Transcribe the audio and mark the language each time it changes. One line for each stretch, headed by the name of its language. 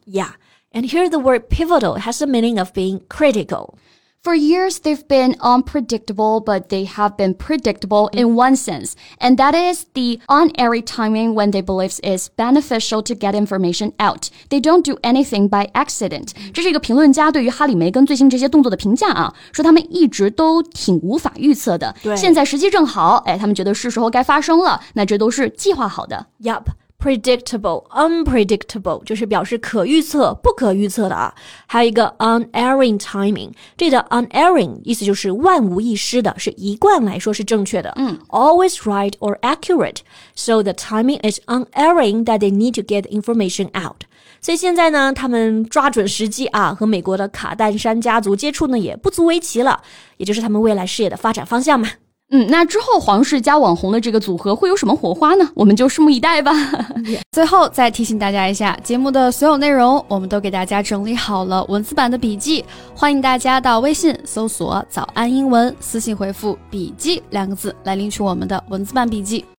English: Yeah, and here the word pivotal has the meaning of being critical. For years, they've been unpredictable, but they have been predictable in one sense, and that is the unerry timing when they believe it's beneficial to get information out. They don't do anything by accident.
Chinese: 这是一个评论家对于哈里梅根最新这些动作的评价啊，说他们一直都挺无法预测的。对，现在时机正好，哎，他们觉得是时候该发生了，那这都是计划好的。
English: Yup. Predictable, unpredictable,
Chinese: 就是表示可预测、不可预测的啊。还有一个 unerring timing, 这里的 unerring 意思就是万无一失的，是一贯来说是正确的。嗯、
English: Always right or accurate, so the timing is unerring that they need to get information out.
Chinese: 所以现在呢，他们抓准时机啊，和美国的卡戴珊家族接触呢也不足为奇了，也就是他们未来事业的发展方向嘛。嗯，那之后皇室加网红的这个组合会有什么火花呢？我们就拭目以待吧。最后再提醒大家一下，节目的所有内容我们都给大家整理好了文字版的笔记，欢迎大家到微信搜索早安英文，私信回复笔记两个字来领取我们的文字版笔记。